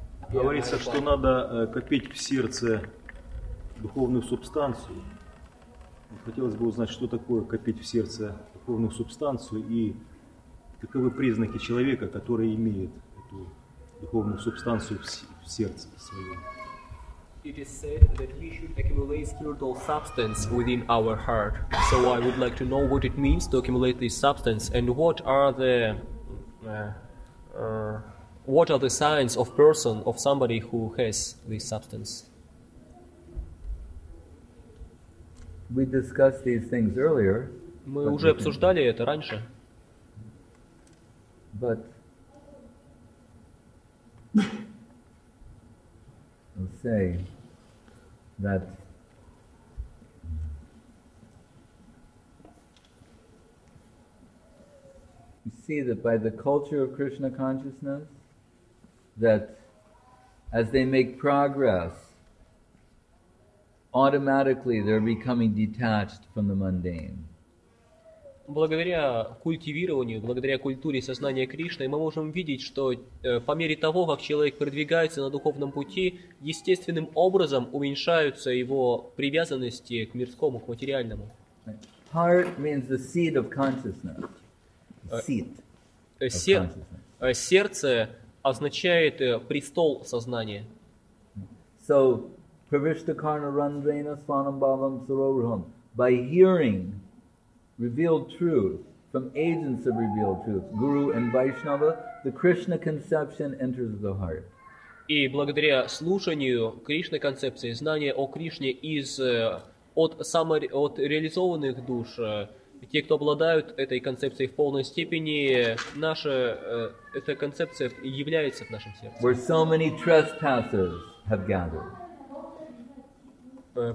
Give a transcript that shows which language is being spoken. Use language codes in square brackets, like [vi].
[ru] Говорится, что надо копить в сердце духовную субстанцию. Хотелось бы узнать, что такое копить в сердце духовную субстанцию и каковы признаки человека, который имеет эту духовную субстанцию в сердце своем. [en] It is said that we should accumulate spiritual substance within our heart. So I would like to know what it means to accumulate this substance and what are the signs of person, of somebody who has this substance. We discussed these things earlier. [ru] Мы уже обсуждали это раньше. [en] But I'll say that you see that by the culture of Krishna consciousness, that as they make progress, automatically they're becoming detached from the mundane. [ru] Благодаря культивированию, благодаря культуре сознания Кришны, мы можем видеть, что по мере того, как человек продвигается на духовном пути, естественным образом уменьшаются его привязанности к мирскому, к материальному. [en] Heart means the seat of consciousness. Seat of consciousness. [ru] Сердце означает престол сознания. [sa] So, Pravishtakarna Randvena Svanam Bhavam Sarovraham. [en] By hearing revealed truth, from agents of revealed truth, Guru and Vaishnava, the Krishna conception enters the heart. [ru] И благодаря слушанию Кришны концепции, знания о Кришне из от реализованных душ, те, кто обладают этой концепцией в полной степени, наша эта концепция является в нашем сердце. [en] Where so many trespassers have gathered.